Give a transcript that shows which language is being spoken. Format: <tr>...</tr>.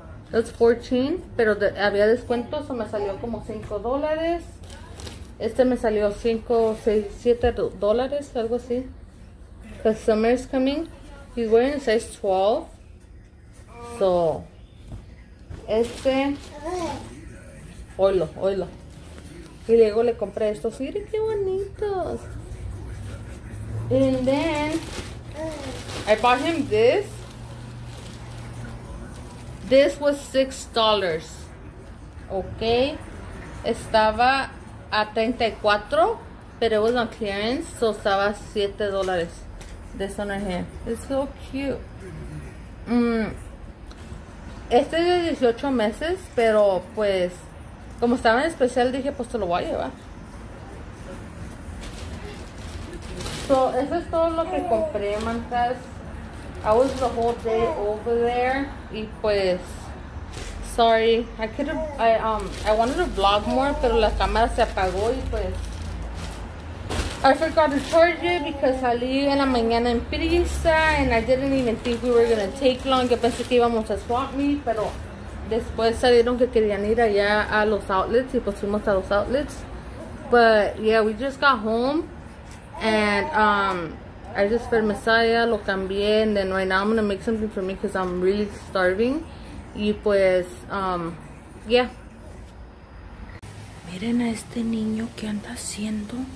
<en>That's 14,</en> <es>pero había descuento, so me salió como $5. Este me salió 5, 6, $7, algo así.</es> <en>Because summer is coming. He's wearing a size 12. So. Este. Oilo.</en> <es>Y luego le compré estos. Miren qué bonitos.</es> <en>And then. I bought him this. This was $6. Okay.</en> <es>Estaba a 34.</es> <en>Pero it was on clearance. So</en> <es>estaba $7.</es> <en>This one right here. It's so cute.</en> <es>Este es de 18 meses, pero pues, como estaba en especial, dije, pues te lo voy a llevar. So, eso es todo lo que compré, mantas.</es> <en>I was the whole day over there.</en> <es>Y pues,</es> <en>sorry. I wanted to vlog more,</en> <es>pero la cámara se apagó y pues,</es> <en>I forgot to charge it because</en> <es>salí en la mañana en prisa</es> <en>and I didn't even think we were going to take long.</en> <es>Yo pensé que íbamos a swap meet, pero después salieron que querían ir allá a los outlets y pues fuimos a los outlets.</es> <en>But yeah, we just got home and I just fed Messiah,</en> <es>lo cambié,</es> <en>and then right now I'm going to make something for me because I'm really starving.</en> <es>Y pues, yeah. Miren a este niño que anda haciendo.</es>